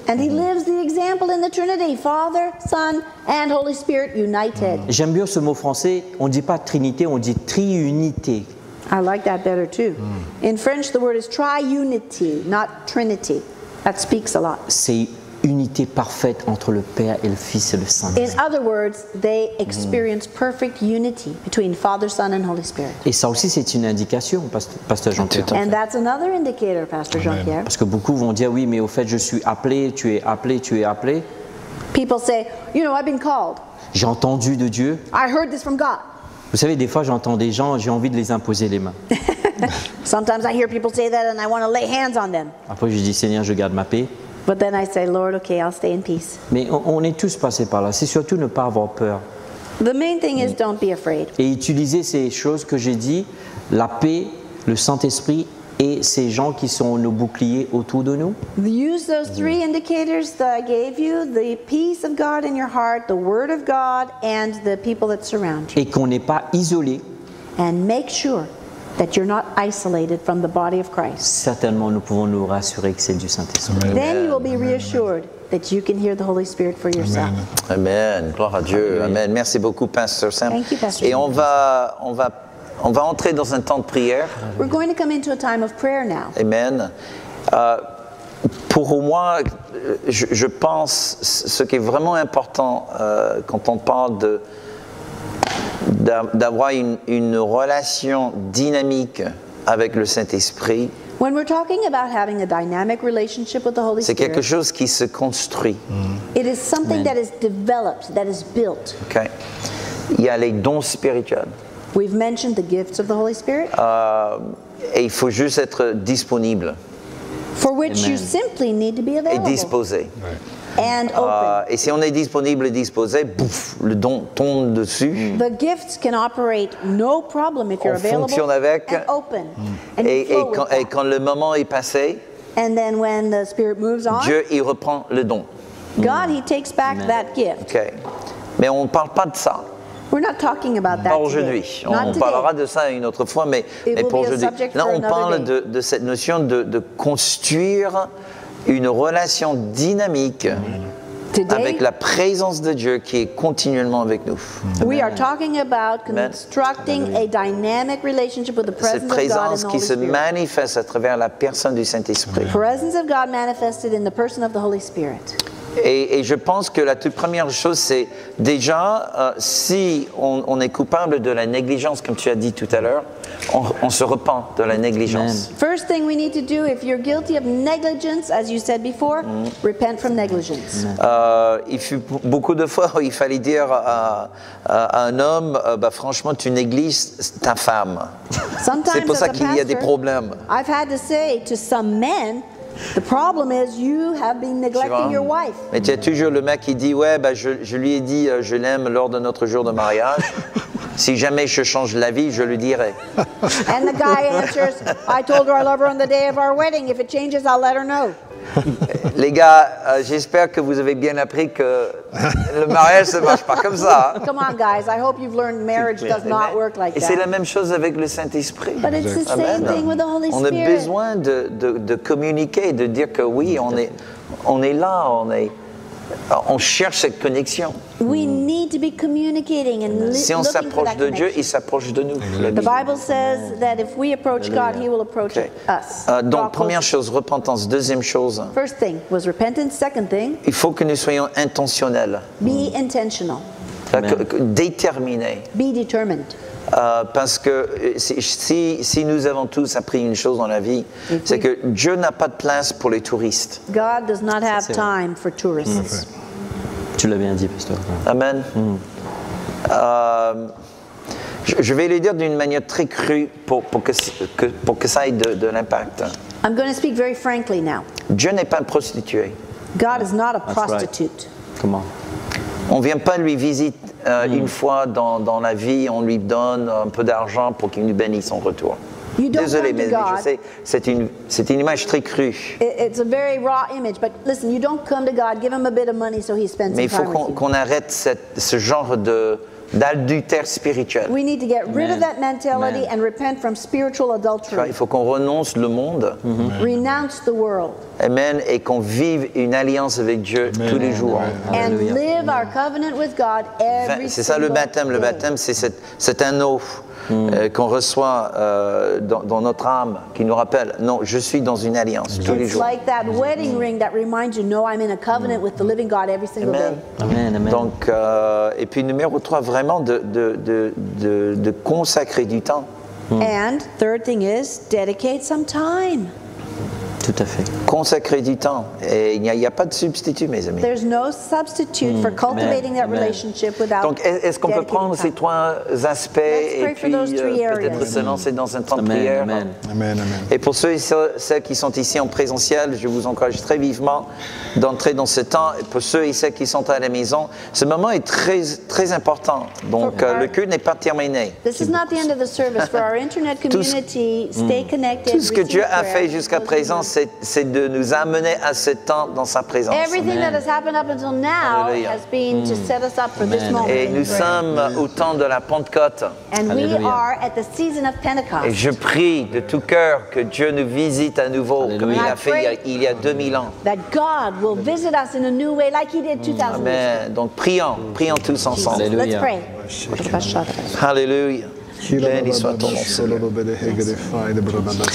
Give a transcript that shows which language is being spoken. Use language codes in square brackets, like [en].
[en] And he lives the example in the Trinity, Father, Son and Holy Spirit united. [fr] J'aime bien ce mot français, on dit pas trinité, on dit triunité. [en] I like that better too. In French the word is triunity, not trinity. That speaks a lot. [fr] C'est unité parfaite entre le Père et le Fils et le Saint-Esprit. [en] In other words, they experience perfect unity between Father, Son and Holy Spirit. [fr] Et ça aussi c'est une indication, pasteur Jean-Pierre. [en] And that's another indicator, pasteur Jean-Pierre. [fr] Parce que beaucoup vont dire oui, mais au fait je suis appelé, tu es appelé, tu es appelé. [en] People say, you know, I've been called. [fr] J'ai entendu de Dieu. [en] I heard this from God. [fr] Vous savez, des fois j'entends des gens, j'ai envie de les imposer les mains. [en] Sometimes I hear people say that and I want to lay hands on them. [fr] Après je dis Seigneur, je garde ma paix. [en] But then I say, Lord, okay, I'll stay in peace. [fr] Mais on est tous passés par là. C'est surtout ne pas avoir peur. [en] The main thing is don't be afraid. [fr] Et utiliser ces choses que j'ai dit, la paix, le Saint-Esprit et ces gens qui sont nos boucliers autour de nous. [en] Use those three indicators that I gave you, the peace of God in your heart, the word of God and the people that surround you. [fr] Et qu'on n'est pas isolé. [en] And make sure that you're not isolated from the body of Christ. [fr] Certainement, nous pouvons nous rassurer que c'est du Saint-Esprit. Amen. [en] Then you will be reassured that you can hear the Holy Spirit for yourself. [fr] Amen. Gloire à Dieu. Amen. Merci beaucoup, Pasteur Sam. [en] Thank you, Pastor Sam. [fr] Et on va entrer dans un temps de prière. [en] We're going to come into a time of prayer now. Amen. [fr] Pour moi, je pense ce qui est vraiment important quand on parle de d'avoir une relation dynamique avec le Saint-Esprit. [en] When we're talking about having a dynamic relationship with the Holy Spirit, [fr] c'est quelque chose qui se construit. [en] It is something that is developed, that is built. [fr] Okay. Il y a les dons spirituels. [en] We've mentioned the gifts of the Holy Spirit. [fr] Et il faut juste être disponible. [en] For which you simply need to be available. [fr] Et disposé. Right. [en] And open. [fr] Et si on est disponible et disposé, bouf, le don tombe dessus. [en] The gifts can operate no problem if you're available. [fr] On fonctionne avec. [en] And open. [fr] Et quand le moment est passé, [en] and then when the spirit moves on, [fr] Dieu il reprend le don. [en] God, he takes back that gift. [fr] Okay. Mais on ne parle pas de ça. [en] We're not talking about that. [fr] Pas aujourd'hui. [en] Today. [fr] On parlera de ça une autre fois, mais pour aujourd'hui. Là, on parle de cette notion de construire une relation dynamique [en] today, [fr] avec la présence de Dieu qui est continuellement avec nous. [en] We are talking about constructing a dynamic relationship with the presence of God. [fr] Cette présence qui se [en] Spirit. [fr] Manifeste à travers la personne du Saint-Esprit. [en] The presence of God manifested in the person of the Holy Spirit. [fr] Et je pense que la toute première chose, c'est déjà, si on est coupable de la négligence, comme tu as dit tout à l'heure, on se repent de la négligence. [en] Amen. First thing we need to do, if you're guilty of negligence, as you said before, repent from negligence. [fr] Il fut beaucoup de fois où il fallait dire à un homme, bah, franchement, tu négliges ta femme. [en] Sometimes [fr] c'est pour ça qu'il [en] pastor, [fr] y a des problèmes. [en] I've had to say to some men, the problem is you have been neglecting your wife. [fr] Mais tu as toujours le mec qui dit ouais, ben je lui ai dit je l'aime lors de notre jour de mariage. Si jamais je change l'avis, je lui dirai. [en] And the guy answers, I told her I love her on the day of our wedding. If it changes, I'll let her know. [fr] Les gars, j'espère que vous avez bien appris que le mariage ne marche pas comme ça. [en] Come on, guys. I hope you've learned marriage does not work like that. [fr] Et c'est la même chose avec le Saint-Esprit. [en] But it's the same thing with the Holy Spirit. [fr] On a besoin de communiquer, de dire que oui, on est là, on cherche cette connexion. [en] We need to be communicating and looking for that connection. [fr] Si on s'approche de Dieu, il s'approche de nous. [en] The Bible says that if we approach God, he will approach us. [fr] Donc, première chose, repentance. Deuxième chose. [en] First thing was repentance. Second thing. [fr] Il faut que nous soyons intentionnels. [en] Be intentional. [fr] Déterminés. [en] Be determined. [fr] Parce que si nous avons tous appris une chose dans la vie, c'est que Dieu n'a pas de place pour les touristes. [en] God does not have time for tourists. Mm-hmm. [fr] Tu l'as bien dit, pasteur. Amen. Mm-hmm. Je vais le dire d'une manière très crue pour que ça ait de l'impact. [en] I'm going to speak very frankly now. [fr] Dieu n'est pas un prostitué. [en] God is not a prostitute. Come on. [fr] On ne vient pas lui visiter une fois dans la vie, on lui donne un peu d'argent pour qu'il nous bénisse en retour. Désolé, mais je sais, c'est une image très crue. [en] It's a very raw image, but listen, you don't come to God, give him a bit of money so he spends some time. [fr] Mais il faut qu'on arrête ce genre d'adultère spirituel. [en] We need to get rid of that mentality and repent from spiritual adultery. [fr] Il faut qu'on renonce le monde. [en] Renounce the world. Amen. [fr] Et qu'on vive une alliance avec Dieu tous les jours. [en] And live our covenant with God every single day. [fr] C'est ça le baptême. Le baptême, c'est un eau qu'on reçoit dans notre âme qui nous rappelle, non, je suis dans une alliance tous les jours. [en] It's like that wedding ring that reminds you, no, I'm in a covenant with the living God every single day. Amen. [fr] Donc, et puis numéro 3, vraiment de consacrer du temps. [en] And third thing is, dedicate some time. [fr] Tout à fait. Consacrer du temps. Et il n'y a pas de substitut, mes amis. [en] There's no substitute for cultivating that relationship without. [fr] Donc, est-ce qu'on peut prendre ces trois aspects et puis peut-être se lancer dans un temps de prière? Amen. Amen. Et pour ceux et celles qui sont ici en présentiel, je vous encourage très vivement d'entrer dans ce temps. Et pour ceux et celles qui sont à la maison, ce moment est très, très important. Donc, le culte n'est pas terminé. [en] This is not the end of the service. For our internet community, stay connected. [fr] Tout ce que Dieu a fait jusqu'à présent, c'est de nous amener à ce temps dans sa présence. [en] Everything that has happened up until now has been to set us up for this moment. [fr] Et nous sommes au temps de la Pentecôte. [en] And we are at the season of Pentecost. [fr] Et je prie de tout cœur que Dieu nous visite à nouveau comme il a fait il y a 2000 ans. [en] That God will visit us in a new way like he did 2000 years. [fr] Amen. Donc prions tous ensemble. [en] Let's pray. [fr] Hallelujah. Béni soit ton nom.